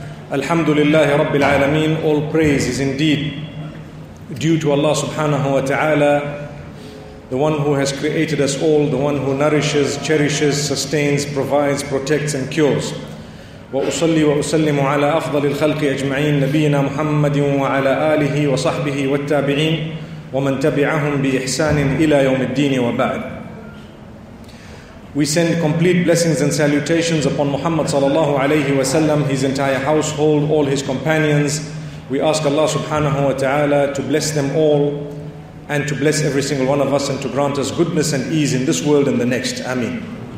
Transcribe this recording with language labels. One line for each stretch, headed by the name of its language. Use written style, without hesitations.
Arabic: Alhamdulillahi rabbil alameen,
English: all praise is indeed due to Allah subhanahu wa ta'ala, the one who has created us all, the one who nourishes, cherishes, sustains, provides, protects and cures.
Arabic: وأصلي وأسلم على أفضل الخلق أجمعين نبينا محمد وعلى آله وصحبه والتابعين ومن تبعهم بإحسان إلى يوم الدين وبعد.
English: We send complete blessings and salutations upon Muhammad
Arabic: sallallahu alayhi wa sallam,
English: his entire household, all his companions. We ask Allah subhanahu wa ta'ala to bless them all and to bless every single one of us and to grant us goodness and ease in this world and the next. Ameen.